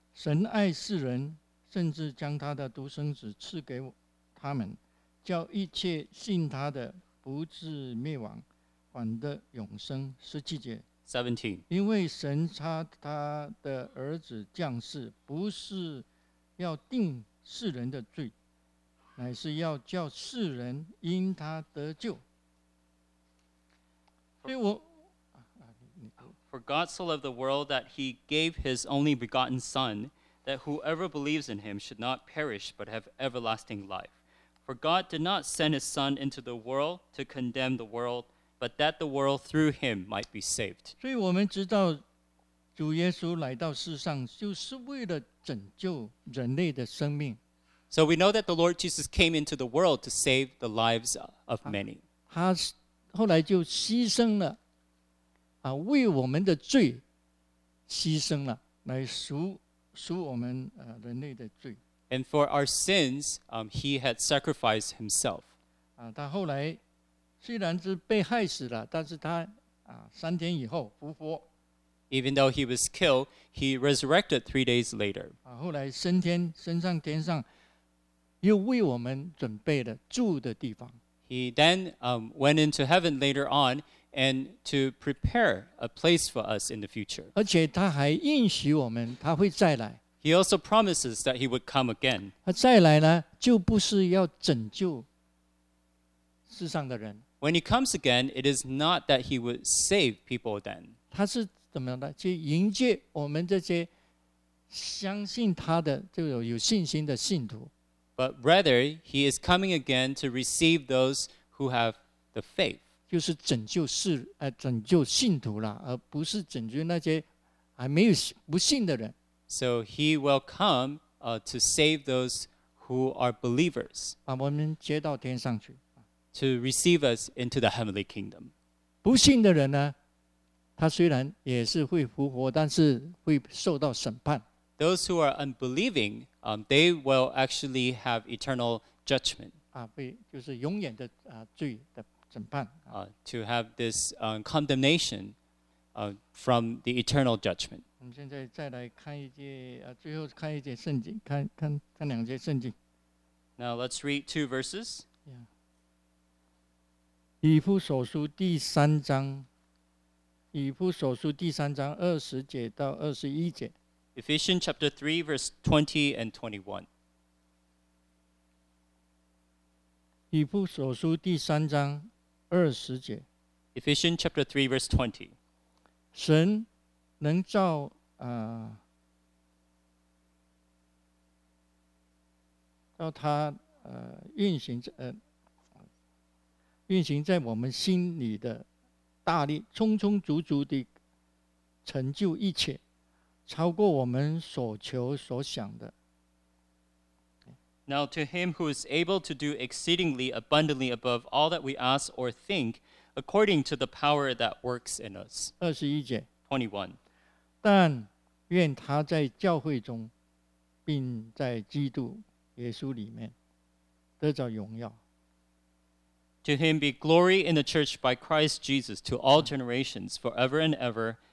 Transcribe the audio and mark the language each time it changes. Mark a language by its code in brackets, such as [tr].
[zh] 神爱世人，甚至将他的独生子赐给他们，叫一切信他的不至灭亡，反得永生。十七节 [en] 17 [zh] 因为神差他的儿子降世，不是要定世人的罪，乃是要叫世人因他得救。所以我 [en] For God so loved the world that he gave his only begotten Son, that whoever believes in him should not perish but have everlasting life. For God did not send his Son into the world to condemn the world, but that the world through him might be saved. [zh] 所以我们知道主耶稣来到世上就是为了拯救人类的生命。 [en] So we know that the Lord Jesus came into the world to save the lives of many. [zh] 他后来就牺牲了为我们的罪牺牲了，来赎我们人类的罪。 [en] And for our sins, he had sacrificed himself. [zh] 他后来虽然是被害死了，但是他三天以后复活。 [en] Even though he was killed, he resurrected 3 days later. [zh] 后来升天，升上天上，又为我们准备了住的地方。 [en] He then went into heaven later on and to prepare a place for us in the future. [zh] 而且他还应许我们，他会再来。 [en] He also promises that he would come again. [zh] 他再来呢，就不是要拯救世上的人。 [en] When he comes again, it is not that he would save people then. [zh] 他是怎么样的？去迎接我们这些相信他的，就有信心的信徒。 [en] But rather, he is coming again to receive those who have the faith. [zh] 就是拯救世，拯救信徒啦，而不是拯救那些还没有不信的人。 [en] So he will come to save those who are believers. [zh] 把我们接到天上去。 [en] To receive us into the heavenly kingdom. [zh] 不信的人呢，他虽然也是会复活，但是会受到审判。 [en] Those who are unbelieving, they will actually have eternal judgment. [zh] 就是永远的罪的审判。 [en] To have this condemnation from the eternal judgment. [zh] 我们现在再来看一节，最后看一节圣经，看两节圣经。 [en] Now let's read two verses. Yeah. [zh] 以弗所书第三章。以弗所书第三章二十节到二十一节。 [en] Ephesians chapter 3, verse 20 and 21. [zh] 以弗所书第三章二十节。 [en] Ephesians chapter 3, verse 20. [zh] 神能照照他运行在我们心里的。大力充充足足地成就一切，超过我们所求所想的。 [en] Now to him who is able to do exceedingly abundantly above all that we ask or think, according to the power that works in us. [zh] 二十一节。 [en] 21. [zh] 但愿他在教会中，并在基督耶稣里面得着荣耀。 [en] To him be glory in the church by Christ Jesus to all generations, forever and ever.